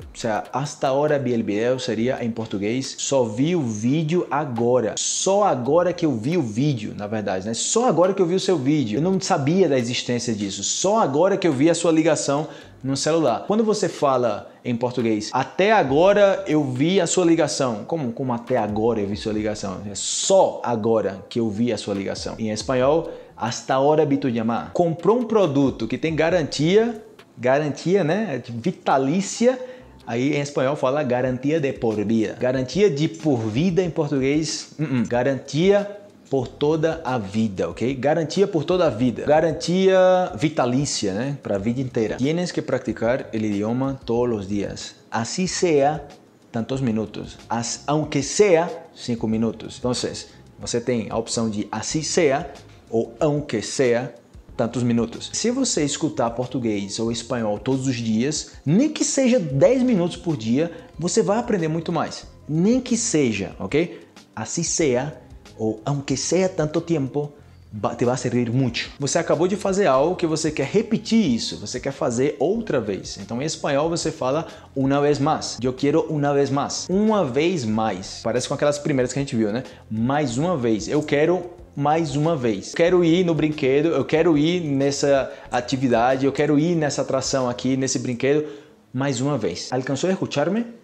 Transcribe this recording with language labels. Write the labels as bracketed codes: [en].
[es] O sea, hasta ahora vi el video, sería en portugués. [pt] Só vi o vídeo agora. Só agora que eu vi o vídeo, na verdade, né? Só agora que eu vi o seu vídeo. Eu não sabia da existência disso. Só agora que eu vi a sua ligação no celular. Quando você fala em português, até agora eu vi a sua ligação. Como até agora eu vi sua ligação? É só agora que eu vi a sua ligação. Em espanhol, [es] hasta ahora vi tu llamar. [pt] Comprou um produto que tem garantia, garantia, né? Vitalícia. Aí em espanhol fala [es] garantia de por vida. Garantia de por vida [pt] em português, garantia por toda a vida, ok? Garantia por toda a vida. Garantia vitalícia, né? Para a vida inteira. [es] Tienes que practicar el idioma todos los días. Así sea tantos minutos. Aunque sea 5 minutos. [pt] Entonces, você tem a opção de [es] así sea [pt] ou [es] aunque sea tantos minutos. [pt] Se você escutar português ou espanhol todos os dias, nem que seja 10 minutos por dia, você vai aprender muito mais. Nem que seja, ok? [es] Así sea ou aunque sea tanto tiempo, te va a servir mucho. [pt] Você acabou de fazer algo que você quer repetir isso, você quer fazer outra vez. Então em espanhol você fala [es] una vez más. Yo quiero una vez más. [pt] Uma vez mais. Parece com aquelas primeiras que a gente viu, né? Mais uma vez. Eu quero mais uma vez. Quero ir no brinquedo, eu quero ir nessa atividade, eu quero ir nessa atração aqui, nesse brinquedo, mais uma vez. Alcançou a escucharme?